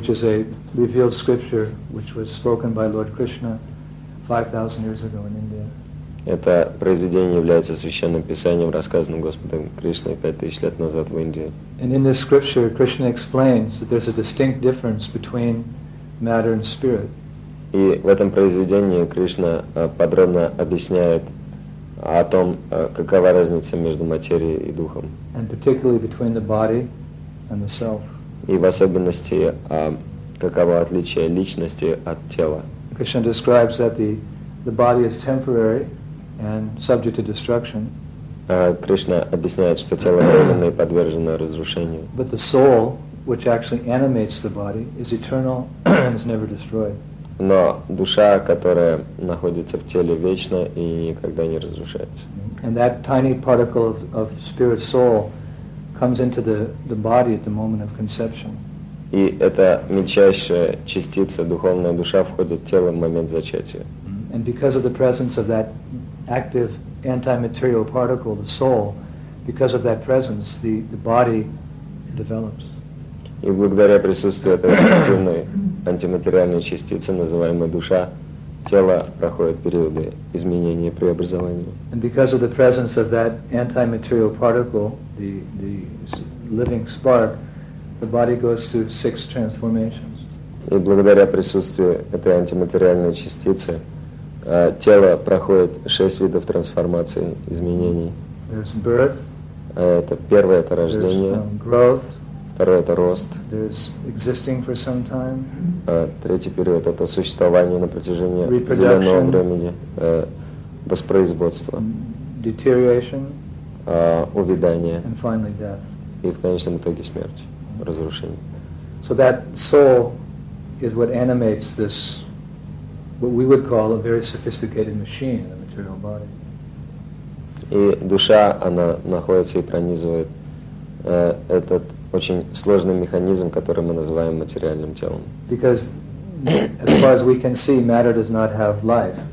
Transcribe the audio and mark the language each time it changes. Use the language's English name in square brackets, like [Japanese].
[English] Which is a revealed scripture which was spoken by Lord Krishna 5000 years ago in India. [Russian] Это произведение является священным писанием, рассказанным Господом Кришной 5000 лет назад в Индии. [English] And in this scripture Krishna explains that there's a distinct difference between matter and spirit. [Russian] И в этом произведении Кришна подробно объясняет о том, какова разница между материей и духом. [English] And particularly between the body and the self. [Russian] И в особенности, каково отличие личности от тела. [English] Krishna describes that the body is temporary and subject to destruction. [Russian] Кришна объясняет, что тело временно и подвержено разрушению. [English] But the soul, which actually animates the body, is eternal and is never destroyed. [Russian] Но душа, которая находится в теле, вечна и никогда не разрушается. [English] And that tiny particle of spirit soul comes into the body at the moment of conception. [Russian] И эта мельчайшая частица, духовная душа, входит в тело в момент зачатия. [English] And because of the presence of that active anti-material particle, the soul, because of that presence, the body develops. [Russian] И благодаря присутствию этой активной антиматериальной частицы, называемой душа, тело проходит периоды изменения и преобразования. [English] And because of the presence of that anti-material particle, the living spark, the body goes through six transformations. [Russian] И благодаря присутствию этой антиматериальной частицы, тело проходит шесть видов трансформации, изменений. [English] There's birth. [Russian] Это первое, это рождение. [English] Growth. [Russian] Второе — это рост. [English] There's existing for some time. [Russian] Третий период — это существование на протяжении определенного времени. Воспроизводство. [English] Deterioration. [Russian] Увядание. [English] And finally death. [Russian] И в конечном итоге смерть, разрушение. [English] So that soul is what animates this, what we would call a very sophisticated machine, the material body. [Russian] И душа, она находится и пронизывает этот очень сложный механизм, который мы называем материальным телом. [English] Because, as far as we can see, matter does not have life.